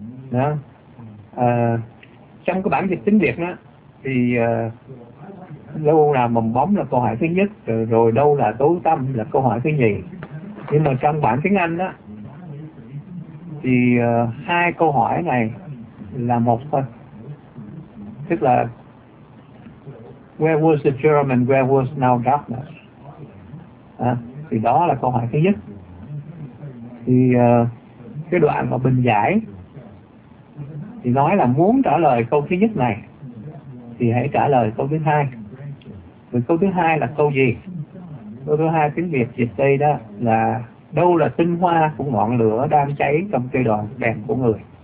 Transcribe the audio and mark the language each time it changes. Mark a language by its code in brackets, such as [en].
[vi] Đó. Trong cái bản dịch tiếng Việt đó, thì đâu là mầm mống là câu hỏi thứ nhất, rồi đâu là tối tâm là câu hỏi thứ nhì. Nhưng mà trong bản tiếng Anh đó, thì hai câu hỏi này là một thôi. Tức là [en] where was the germ and where was now darkness? [vi] Thì đó là câu hỏi thứ nhất. Thì cái đoạn mà bình giải thì nói là muốn trả lời câu thứ nhất này thì hãy trả lời câu thứ hai. Vì câu thứ hai là câu gì? Câu thứ hai tiếng Việt dịch đây đó là đâu là tinh hoa của ngọn lửa đang cháy trong cây đoạn đèn của người?